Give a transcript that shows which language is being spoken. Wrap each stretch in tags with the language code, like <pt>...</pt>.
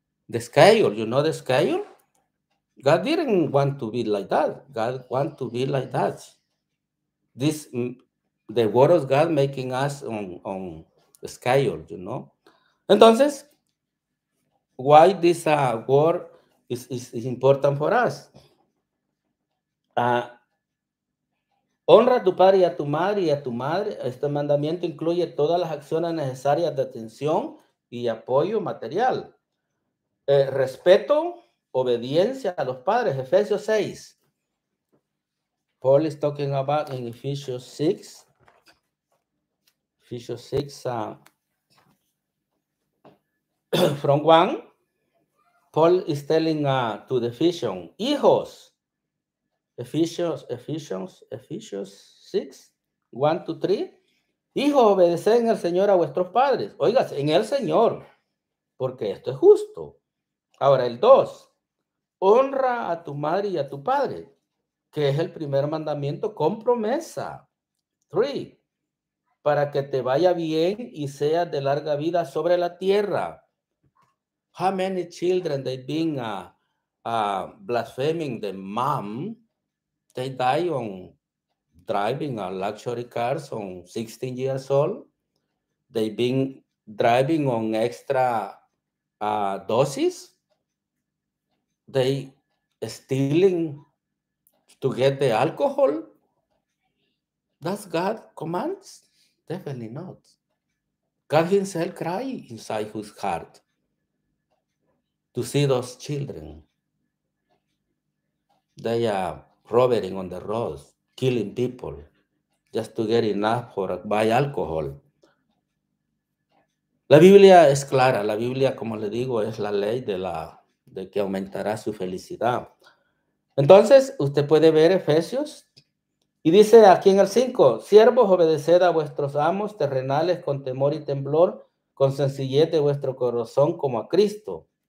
<en>The scale, you know the scale? God didn't want to be like that. God want to be like that. This, the word of God making us on the scale, you know?</en> <es>Entonces,</es> <en>why this word is important for us?</en> <es>Honra a tu padre y a tu madre y a tu madre. Este mandamiento incluye todas las acciones necesarias de atención y apoyo material. Respeto, obediencia a los padres. Efesios 6.</es> <en>Paul is talking about in Ephesians 6. Ephesians 6, from 1. Paul is telling to the Ephesians,</en> <es>hijos.</es> <en>Ephesians 6, 1 to 3.</en> <es>Hijos, obedeced en el Señor a vuestros padres. Oigas, en el Señor, porque esto es justo. Ahora el 2. Honra a tu madre y a tu padre, que es el primer mandamiento con promesa. 3. Para que te vaya bien y seas de larga vida sobre la tierra.</es> <en>How many children they've been blaspheming the mom? They die on driving a luxury cars on 16 years old. They've been driving on extra doses. They stealing to get the alcohol. Does God commands? Definitely not. God himself cry inside his heart to see those children. They are robbing on the roads, killing people, just to get enough for buy alcohol.</en> <es>La Biblia es clara. La Biblia, como le digo, es la ley de la de que aumentará su felicidad. Entonces, usted puede ver Efesios y dice aquí en el 5, siervos, obedeced a vuestros amos terrenales con temor y temblor, con sencillez de vuestro corazón como a Cristo.</es>